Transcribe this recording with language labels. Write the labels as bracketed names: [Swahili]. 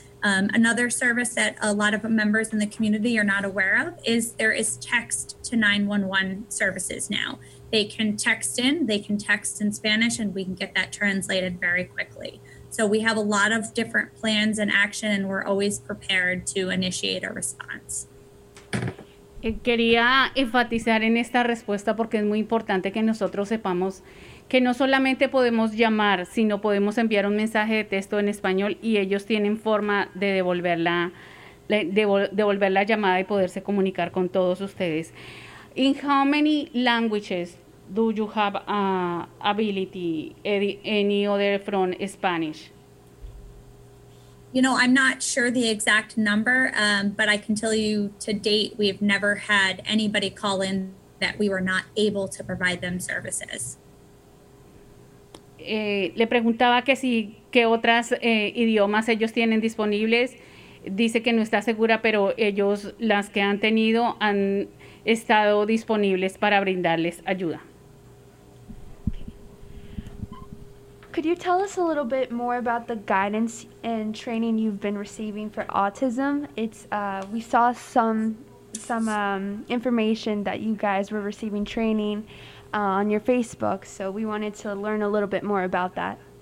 [English] Another service that a lot of members in the community are not aware of is there is text to 911 services now. They can text in, they can text in Spanish, and we can get that translated very quickly. So we have a lot of different plans in action, and we're always prepared to initiate a response. [Spanish] Quería enfatizar en esta respuesta porque es muy importante que nosotros sepamos que no solamente podemos llamar, sino podemos enviar un mensaje de texto en español y ellos tienen forma de devolver la llamada y poderse comunicar con todos ustedes. [English] In how many languages do you have ability, any other from Spanish? You know, I'm not sure the exact number, but I can tell you to date, we've never had anybody call in that we were not able to provide them services. [Spanish] Le preguntaba que si qué otras idiomas ellos tienen disponibles. Dice que no está segura, pero ellos las que han tenido han estado disponibles para brindarles ayuda. [English] Could you tell us a little bit more about the guidance and training you've been receiving for autism? It's we saw some information that you guys were receiving training on your Facebook, so we wanted to learn a little bit more about that.